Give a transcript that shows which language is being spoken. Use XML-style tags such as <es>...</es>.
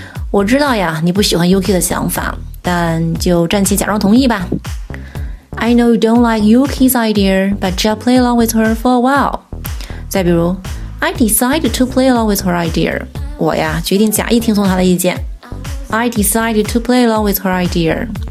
<zh>我知道呀，你不喜欢 Yuki 的想法，但就暂且假装同意吧。</zh> <en>I know you don't like Yuki's idea, but just play along with her for a while.</en> <zh>再比如</zh> <en>I decided to play along with her idea.</en> <zh>我呀，决定假意听从她的意见。</zh> <en>I decided to play along with her idea.</en>